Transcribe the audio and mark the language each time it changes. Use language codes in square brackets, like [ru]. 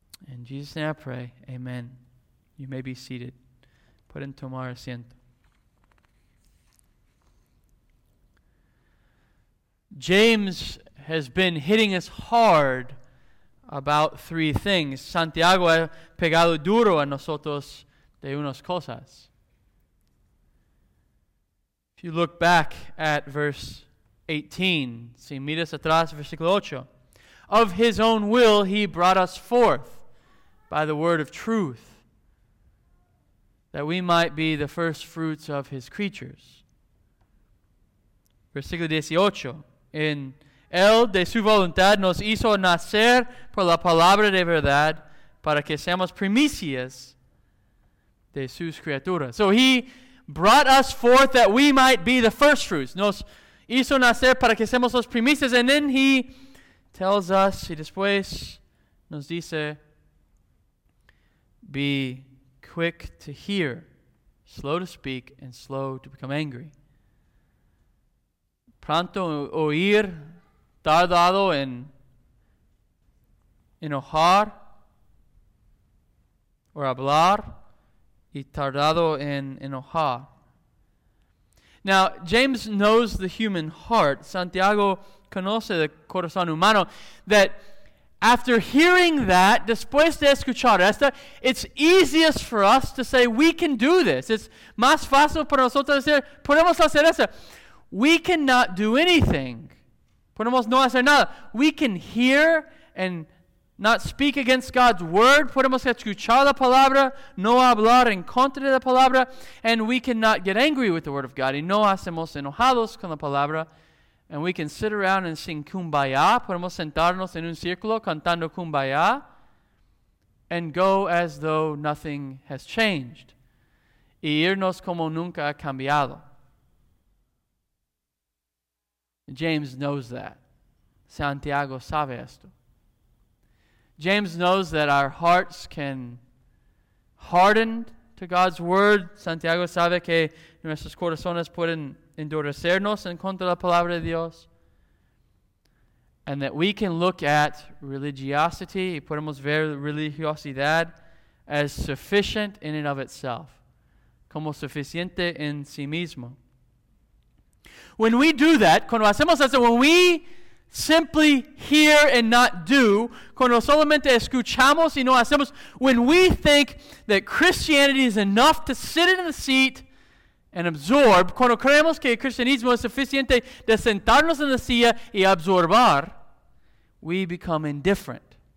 [en] In Jesus' name I pray, amen. You may be seated. [es] Pueden tomar asiento. [en] James has been hitting us hard about three things. [es] Santiago ha pegado duro a nosotros de unas cosas. [en] If you look back at verse 18, [es] si miras atrás, versículo 8, [en] of his own will he brought us forth by the word of truth, that we might be the first fruits of his creatures. [es] Versículo 18, in Él de su voluntad nos hizo nacer por la palabra de verdad para que seamos primicias de sus criaturas. [en] So he brought us forth that we might be the first fruits. [es] Nos hizo nacer para que seamos los primicias. [en] And then he tells us, [es] y después nos dice, [en] be quick to hear, slow to speak, and slow to become angry. [es] Pronto oír, tardado en enojar o hablar y tardado en enojar. [en] Now, James knows the human heart. [es] Santiago conoce el corazón humano. [en] That after hearing that, [es] después de escuchar esta, [en] it's easiest for us to say, we can do this. It's [es] más fácil para nosotros decir, podemos hacer esto. [en] We cannot do anything. [es] Podemos no hacer nada. [en] We can hear and not speak against God's word. [es] Podemos escuchar la palabra, no hablar en contra de la palabra. [en] And we cannot get angry with the word of God. [es] Y no hacemos enojados con la palabra. [en] And we can sit around and sing Kumbaya. [es] Podemos sentarnos en un círculo cantando Kumbaya. [en] And go as though nothing has changed. [es] Y irnos como nunca ha cambiado. [en] James knows that. [es] Santiago sabe esto. [en] James knows that our hearts can harden to God's word. [es] Santiago sabe que nuestros corazones pueden endurecernos en contra de la palabra de Dios. [en] And that we can look at religiosity, [es] y podemos ver religiosidad, [en] as sufficient in and of itself. [es] Como suficiente en sí mismo. [en] When we do that, [es] cuando hacemos eso, [en] when we simply hear and not do, [es] cuando solamente escuchamos y no hacemos, [en] when we think that Christianity is enough to sit in the seat and absorb, [es] cuando creemos que el cristianismo es suficiente de sentarnos en la silla y absorber, [en] we become indifferent.